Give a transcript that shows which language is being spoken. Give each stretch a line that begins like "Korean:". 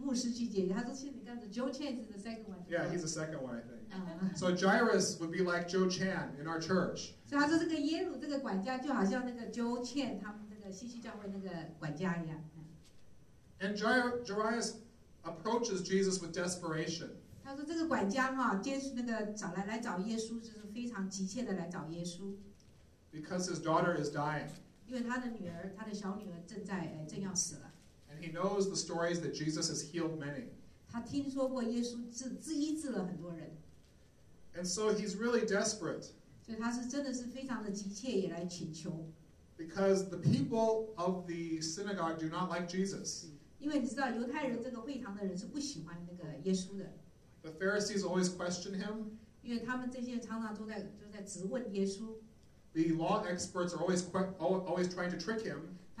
Chinese: 他就是长老去解决，不是牧师去解决。他说现在刚才 Joe Chan
English: is the second one. Yeah, he's the second one, I think. So Jairus would be like Joe Chan in our church.
Chinese: 所以他说这个耶鲁这个管家就好像那个 Joe Chan 他们那个西西教会那个管家一样。
English: And Jairus approaches Jesus with desperation.
Chinese: 他说这个管家哈，接那个找来找耶稣，就是非常急切的来找耶稣。
English: Because his daughter is dying.
Chinese: 因为他的女儿，他的小女儿正要死了。
English: And he knows the stories that Jesus has healed many.
Chinese: 他听说过耶稣治医治了很多人。
English: And so he's really desperate.
Chinese: 所以他是真的是非常的急切，也来请求。
English: Because the people of the synagogue do not like Jesus.
Chinese: 因为你知道犹太人这个会堂的人是不喜欢那个耶稣的。The
English: Pharisees always question him.
Chinese: 因为他们这些常常都在质问耶稣。The
English: law experts are always trying to trick him.